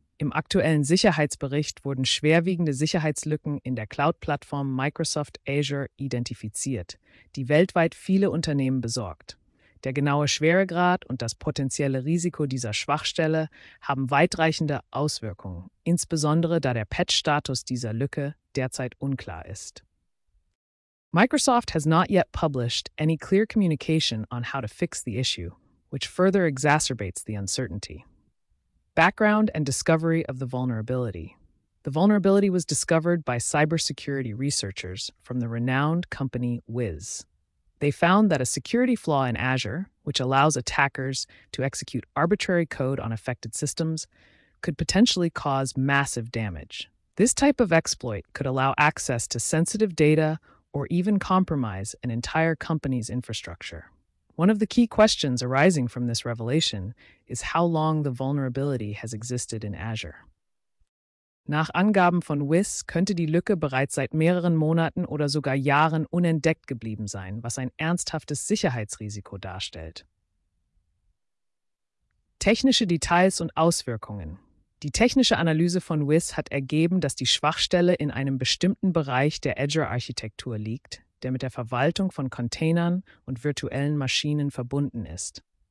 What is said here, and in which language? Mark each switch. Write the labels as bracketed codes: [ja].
[de] Im aktuellen Sicherheitsbericht wurden schwerwiegende Sicherheitslücken in der Cloud-Plattform Microsoft Azure identifiziert, die weltweit viele Unternehmen besorgt. Der genaue Schweregrad und das potenzielle Risiko dieser Schwachstelle haben weitreichende Auswirkungen, insbesondere da der Patch-Status dieser Lücke derzeit unklar ist. [en] Microsoft has not yet published any clear communication on how to fix the issue, which further exacerbates the uncertainty. Background and discovery of the vulnerability. The vulnerability was discovered by cybersecurity researchers from the renowned company Wiz. They found that a security flaw in Azure, which allows attackers to execute arbitrary code on affected systems, could potentially cause massive damage. This type of exploit could allow access to sensitive data or even compromise an entire company's infrastructure. One of the key questions arising from this revelation is how long the vulnerability has existed in Azure. [de] Nach Angaben von Wiz könnte die Lücke bereits seit mehreren Monaten oder sogar Jahren unentdeckt geblieben sein, was ein ernsthaftes Sicherheitsrisiko darstellt. Technische Details und Auswirkungen. Die technische Analyse von Wiz hat ergeben, dass die Schwachstelle in einem bestimmten Bereich der Azure-Architektur liegt, der mit der Verwaltung von Containern und virtuellen Maschinen verbunden ist.